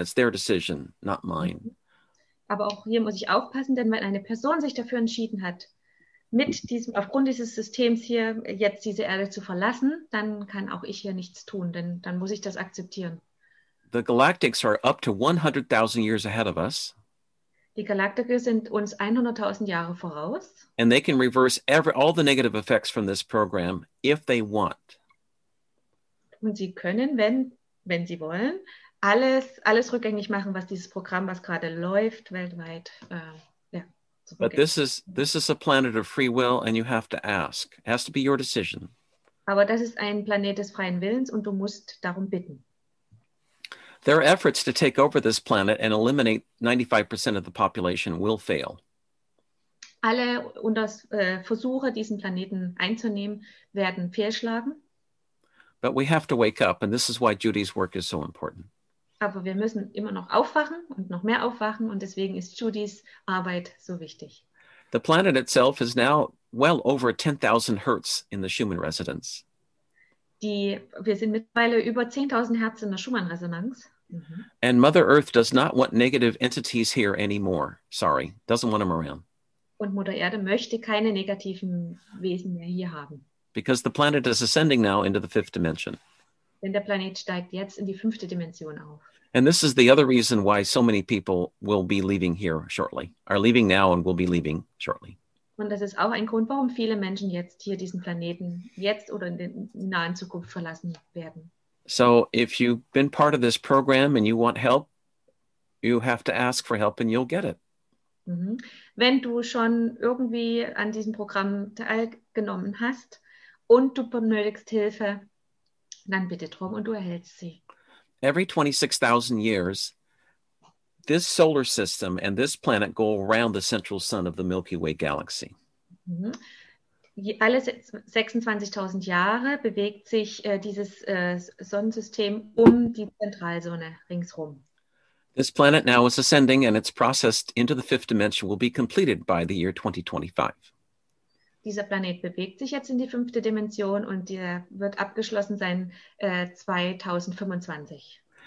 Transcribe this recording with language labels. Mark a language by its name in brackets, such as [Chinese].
[English] It's their decision, not mine. [German] Aber auch hier muss ich aufpassen, denn wenn eine Person sich dafür entschieden hat, aufgrund dieses Systems hier jetzt diese Erde zu verlassen, dann kann auch ich hier nichts tun, denn dann muss ich das akzeptieren. [English] The galactics are up to 100,000 years ahead of us. [German] Die Galaktiker sind uns 100.000 Jahre voraus. [English] And they can reverse all the negative effects from this program if they want. [German] Und sie können, wenn sie wollen, alles rückgängig machen, was dieses Programm, was gerade läuft, weltweit. [English] But this is a planet of free will, and you have to ask. It has to be your decision. [German] Aber das ist ein Planet des freien Willens, und du musst darum bitten. [English] Their efforts to take over this planet and eliminate 95% of the population will fail. [German] Alle Versuche, diesen Planeten einzunehmen, werden fehlschlagen. [English] But we have to wake up, and this is why Judy's work is so important. [German] Aber wir müssen immer noch aufwachen und noch mehr aufwachen, und deswegen ist Judys Arbeit so wichtig. [English] The planet itself is now well over 10,000 Hertz in the Schumann Resonance. [German] Wir sind mittlerweile über 10,000 Hertz in der Schumann Resonanz. Mhm. [English] And Mother Earth does not want negative entities here anymore. Sorry, doesn't want them around. [German] Und Mutter Erde möchte keine negativen Wesen mehr hier haben. [English] Because the planet is ascending now into the fifth dimension. [German] Denn der Planet steigt jetzt in die fünfte Dimension auf. [English] And this is the other reason why so many people will be leaving here shortly, are leaving now and will be leaving shortly. [German] Und das ist auch ein Grund, warum viele Menschen jetzt hier diesen Planeten jetzt oder in der nahen Zukunft verlassen werden. [English] So if you've been part of this program and you want help, you have to ask for help and you'll get it. Mhm. [German] Wenn du schon irgendwie an diesem Programm teilgenommen hast und du benötigst Hilfe, dann bitte drum und du erhältst sie. [English] Every 26,000 years, this solar system and this planet go around the central sun of the Milky Way galaxy. Mm-hmm. [German] Alle 26,000 Jahre bewegt sich dieses Sonnensystem um die Zentralsonne ringsherum. [English] This planet now is ascending, and its process into the fifth dimension will be completed by the year 2025. [German] Dieser Planet bewegt sich jetzt in die fünfte Dimension, und der wird abgeschlossen sein 2025.